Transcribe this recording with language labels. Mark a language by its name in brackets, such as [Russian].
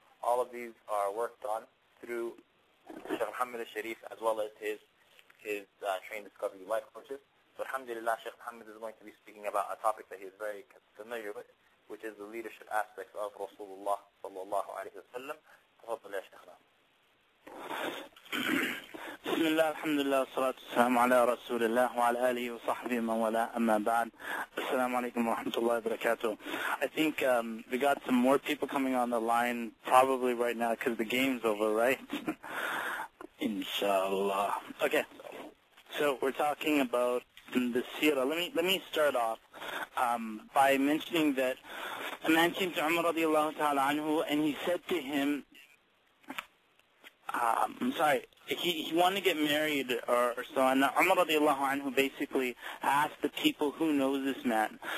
[English] All of these are worked on through Sheikh Muhammad al-Sharif as well as his Train Discover You Life courses. So alhamdulillah, Sheikh Muhammad is going to be speaking about a topic that he is very familiar with, which is the leadership aspects of Rasulullah sallallahu alayhi wa sallam. [Arabic] Tafadhal ya Sheikh. بسم الله الحمد لله والصلاة والسلام على رسول الله وعلى آله وصحبه من ولا أما بعد السلام عليكم ورحمة الله وبركاته. [English] I think we got some more people coming on the line probably right now because the game's over, right? Inshallah. Okay, so we're talking about the seerah. Let me start off by mentioning that a man came to Umar radiallahu ta'ala anhu and he said to him, he wanted to get married or so, and Umar radiallahu anhu basically asked the people, who knows this man?